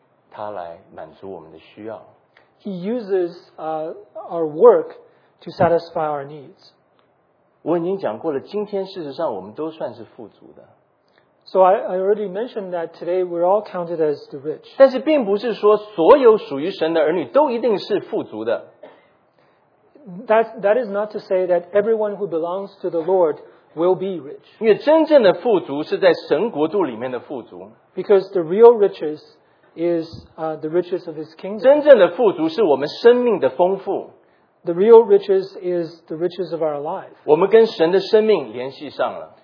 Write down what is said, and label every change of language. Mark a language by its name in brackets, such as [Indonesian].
[Chinese] 他借着我们的工作，他来满足我们的需要。 [English] He uses our work to satisfy our needs. [Chinese] 我已经讲过了，今天事实上我们都算是富足的。 [English] So I already mentioned that today we're all counted as the rich. [Chinese] 但是并不是说所有属于神的儿女都一定是富足的。 [English] That is not to say that everyone who belongs to the Lord will be rich. [Chinese] 因为真正的富足是在神国度里面的富足。 [English] Because the real riches is the riches of His kingdom. [Chinese] 真正的富足是我们生命的丰富。 [English] The real riches is the riches of our life. [Chinese] 我们跟神的生命联系上了。